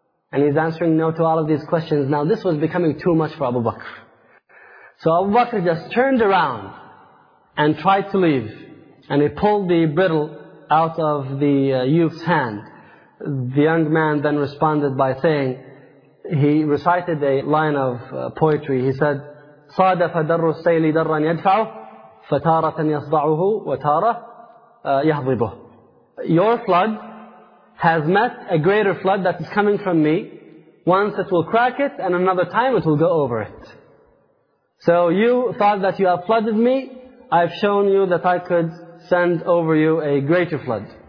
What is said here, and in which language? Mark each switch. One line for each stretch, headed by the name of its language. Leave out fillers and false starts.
English: And he's answering no to all of these questions. Now this was becoming too much for Abu Bakr. So Abu Bakr just turned around and tried to leave. And he pulled the brittle out of the youth's hand. The young man then responded by saying, he recited a line of poetry. He said,
Arabic: صَادَفَ دَرُّ السَّيْلِ دَرًّا يَدْفَعُ فَتَارَةً يَصْضَعُهُ وَتَارَةً يَحْضِبُهُ.
English: Your flood has met a greater flood that is coming from me. Once it will crack it, and another time it will go over it. So you thought that you have flooded me. I've shown you that I could send over you a greater flood.